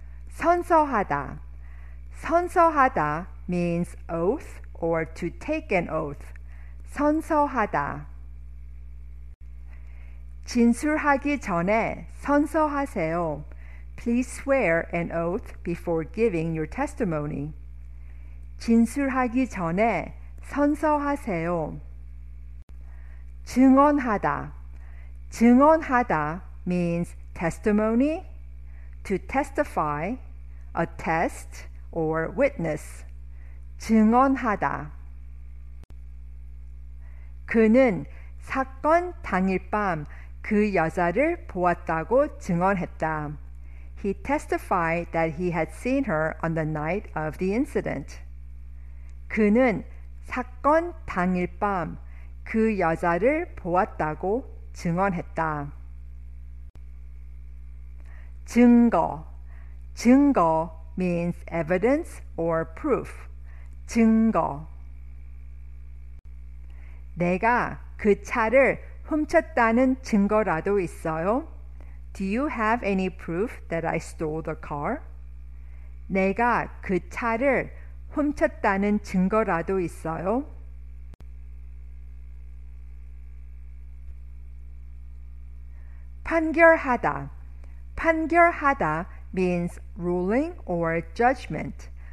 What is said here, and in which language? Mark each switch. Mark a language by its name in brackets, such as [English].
[English] 선서하다. 선서하다 means oath or to take an oath. [Korean] 선서하다. 진술하기 전에 선서하세요. [English] Please swear an oath before giving your testimony. [Korean] 진술하기 전에 선서하세요. [English] 증언하다. 증언하다 means testimony, to testify, attest, or witness. [Korean] 증언하다. 그는 사건 당일 밤 그 여자를 보았다고 증언했다. [English] He testified that he had seen her on the night of the incident. [Korean] 그는 사건 당일 밤 그 여자를 보았다고 증언했다. [English] 증거. 증거 means evidence or proof. 증거. [Korean] 내가 그 차를 훔쳤다는 증거라도 있어요? [English] Do you have any proof that I stole the car? [Korean] 내가 그 차를 훔쳤다는 증거라도 있어요? [English] 판결하다. 판결하다 means ruling or judgment.